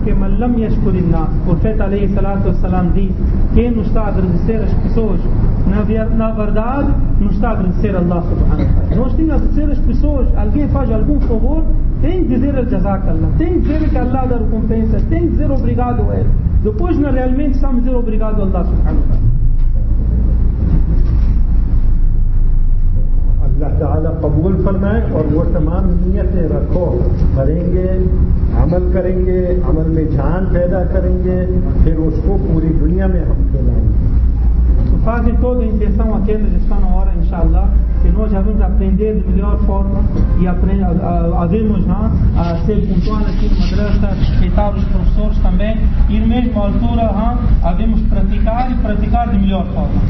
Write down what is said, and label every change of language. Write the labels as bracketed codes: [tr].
[pt] que Malam Yashkurina, o profeta Alayhi Salatu Wassalam diz: quem nos está a agradecer as pessoas, na verdade, nos está a agradecer Allah Subhanahu wa Ta'ala. Nós temos que agradecer as pessoas, alguém faz algum favor, tem que dizer al-Jazakallah, tem que dizer que Allah dá recompensa, tem que dizer obrigado a ele. Depois nós realmente estamos a dizer obrigado a Allah Subhanahu wa Ta'ala. [ur] اللہ تعالیٰ قبول فرمائے اور وہ تمام نیتیں رکھو کریں گے عمل کریں گے عمل میں جان پیدا کریں گے پھر اس کو پوری دنیا میں ہم پھیلائیں گے [pt] Fazem toda a intenção aqueles que estão na hora, inshallah, que nós devemos aprender de melhor forma e devemos ser pontuais aqui na madrasa, respeitar os professores também e, na mesma altura, devemos praticar e praticar de melhor forma.